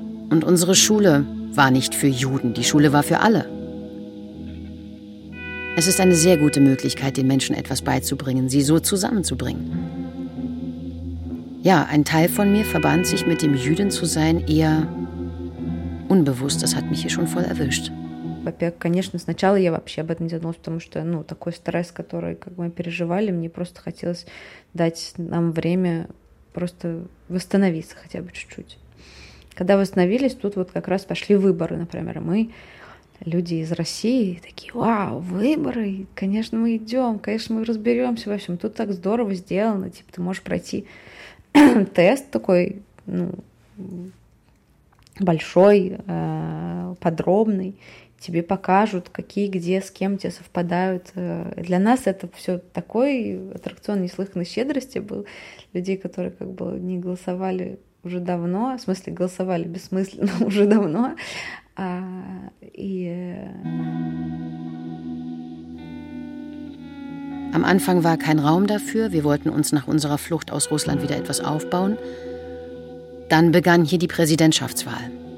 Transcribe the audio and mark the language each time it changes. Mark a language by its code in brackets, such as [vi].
[de] Und unsere Schule war nicht für Juden, die Schule war für alle. Es ist eine sehr gute Möglichkeit, den Menschen etwas beizubringen, sie so zusammenzubringen. Ja, ein Teil von mir verband sich mit dem Jüdin zu sein eher unbewusst. Das hat mich hier schon voll erwischt. [ru] Конечно, сначала я вообще об этом не задумалась, потому что, ну, такой стресс, который как мы переживали, мне просто хотелось дать нам время просто восстановиться хотя бы чуть-чуть. Когда восстановились, тут вот как раз пошли выборы, например, мы люди из России такие: «Вау, выборы! Конечно, мы идем, конечно, мы разберемся во всем. Тут так здорово сделано, типа ты можешь пройти тест такой, ну, большой, подробный. Тебе покажут, какие где, с кем тебе совпадают. Для нас это все такой аттракцион неслыханной щедрости был. Людей, которые как бы не голосовали уже давно, в смысле голосовали бессмысленно уже давно. [de] Am Anfang war kein Raum dafür. Wir wollten uns nach unserer Flucht aus Russland wieder etwas aufbauen. Dann begann hier die Präsidentschaftswahl.